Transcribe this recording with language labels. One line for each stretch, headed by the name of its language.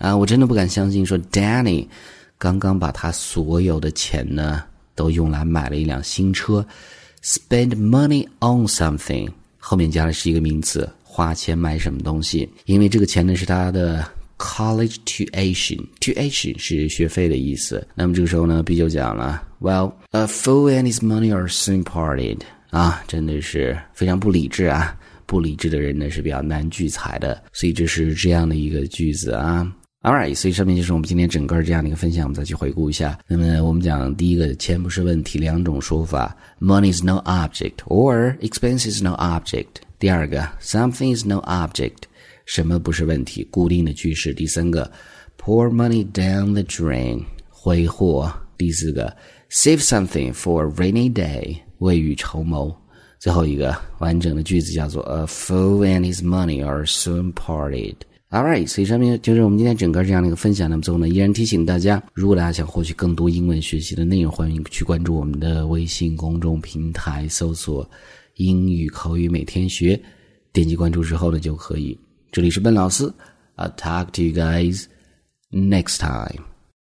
Chinese: 我真的不敢相信说 Danny 刚刚把他所有的钱呢都用来买了一辆新车。
English: Spend money on something
Chinese: 后面加的是一个名词，花钱买什么东西，因为这个钱呢是他的
English: College tuition.
Chinese: Tuition 是学费的意思。那么这个时候呢
English: B 就讲了 Well, a fool and his money are soon parted.
Chinese: 啊，真的是非常不理智啊，不理智的人呢是比较难聚财的。所以这是这样的一个句子啊。 Alright, 所以上面就是我们今天整个这样的一个分享，我们再去回顾一下。那么我们讲第一个，钱不是问题，两种说法 ，
English: money is no object
Chinese: or expense is no object。第二个 ，
English: something is no object，
Chinese: 什么不是问题，固定的句式。第三个 ，
English: pour money down the drain，
Chinese: 挥霍。第四个
English: ，save something for a rainy day，
Chinese: 未雨绸缪。最后一个完整的句子叫做
English: ，a fool and his money are soon parted。
Chinese: Alright, 所以上面就是我们今天整个这样的一个分享。那么最后呢，依然提醒大家，如果大家想获取更多英文学习的内容，欢迎去关注我们的微信公众平台，搜索英语口语每天学，点击关注之后呢就可以。这里是笨老师，
English: I'll talk to you guys next time.